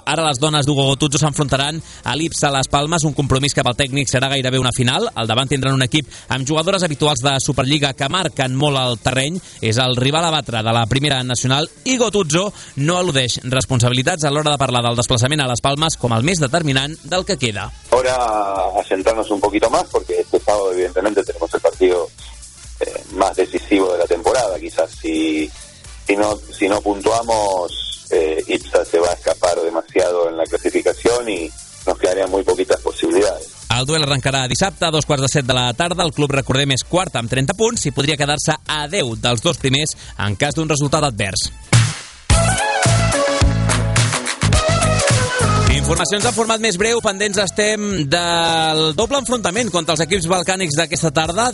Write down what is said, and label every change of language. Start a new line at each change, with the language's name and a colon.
Catalan: Ara les dones d'Hugo Gotuzzo s'enfrontaran a l'Ipsa Les Palmes, un compromís que pel tècnic serà gairebé una final. Al davant tindran un equip amb jugadores habituals de Superliga que marquen molt el terreny. És el rival a batre de la Primera Nacional i Gotuzzo no eludeix responsabilitats a l'hora de parlar del desplaçament a Les Palmes com el més determinant del que queda.
Spanish: Ahora a centrarnos un poquito más porque este sábado evidentemente tenemos el partido más decisivo de la temporada. Quizás si no puntuamos, Ipsa se va a escapar demasiado en la clasificación y nos quedarían muy poquitas posibilidades.
Catalan: El duel arrencarà dissabte a 6:45 de la tarda. El club, recordem, és quart amb 30 punts i podria quedar-se a 10 dels dos primers en cas d'un resultat advers. Informacions en format més breu. Pendents estem del doble enfrontament contra els equips balcànics d'aquesta tarda.